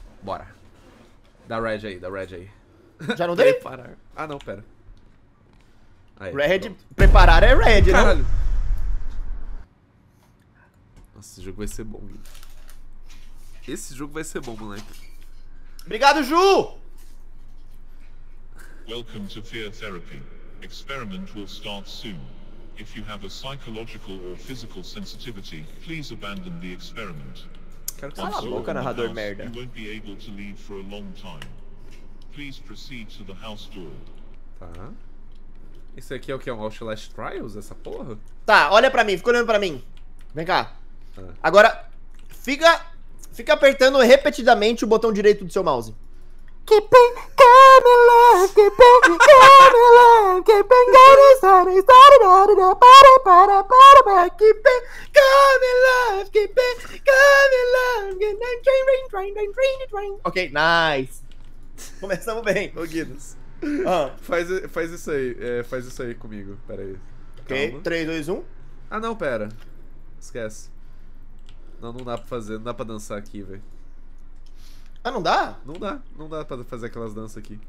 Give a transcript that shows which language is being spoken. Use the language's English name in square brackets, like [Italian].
[Portuguese] Bora. Dá red aí, dá red aí. Já não dei? Parar. Ah não, pera. Aí, red, pronto. Preparar é red, né? Caralho. Não? Nossa, esse jogo vai ser bom. Esse jogo vai ser bom, moleque. Obrigado, Ju! [English] Welcome to Fear Therapy. Experiment will start soon. If you have a psychological or physical sensitivity, please abandon the experiment. [Portuguese] Quero que cala a boca, narrador merda. [English] You won't be able to leave for a long time. Please proceed to the house door. [Portuguese] Tá. Esse aqui é o que? É um Outlast Trials, essa porra? Tá, olha pra mim, fica olhando pra mim. Vem cá. Agora, fica... Fica apertando repetidamente o botão direito do seu mouse. [English] Keep it coming, keep it coming, keep it going, sunny, sunny, sunny, sunny, sunny, sunny, sunny, sunny, keep it coming, keep it coming, and then train, train, train, train, train, train. [Portuguese] Ok, nice. Começamos bem. Ô, Guinness. Faz isso aí, faz isso aí comigo, pera aí. Ok, 3, 2, 1. Ah, não, pera. Esquece. Não, não dá pra fazer, não dá pra dançar aqui, velho. Ah, não dá? Não dá, não dá pra fazer aquelas danças aqui.